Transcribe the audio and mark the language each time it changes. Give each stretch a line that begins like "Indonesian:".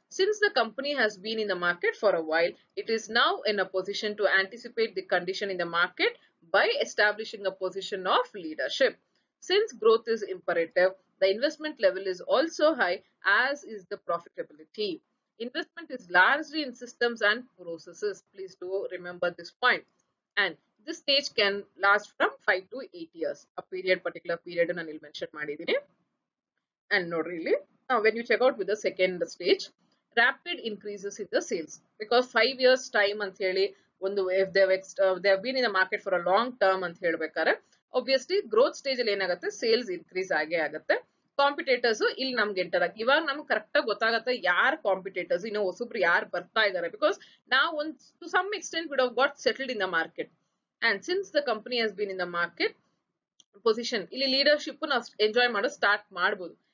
English: Since the company has been in the market for a while, it is now in a position to anticipate the condition in the market by establishing a position of leadership. Since growth is imperative, the investment level is also high, as is the profitability. Investment is largely in systems and processes. Please do remember this point. And this stage can last from 5 to 8 years. A period, particular period, I will mention. And not really. Now, when you check out with the second stage, rapid increases in the sales. Because 5 years time, if they have been in the market for a long term, obviously, growth stage, sales increase.
Kannada: Competitors ಇಲ್ಲಿ ನಮ್ಗೆ enter ಆಗಿ, ಇವಾಗ ನಮ್ಗೆ correct ಆಗಿ ಗೊತ್ತಾಗತ್ತೆ ಯಾರು competitors, ಇನ್ನು ಹೊಸಬ್ರು ಯಾರು ಬರ್ತಾ ಇದಾರೆ.
English: because
Kannada: ನಾವು ಒಂದ್
English: To some extent we have got settled in the market. And since the company has been in the market position,
Kannada: ಇಲ್ಲಿ ಲೀಡರ್ಶಿಪ್ ನಾವು ಎಂಜಾಯ್ ಮಾಡೋ ಸ್ಟಾರ್ಟ್ ಮಾಡ್ಬೋದು.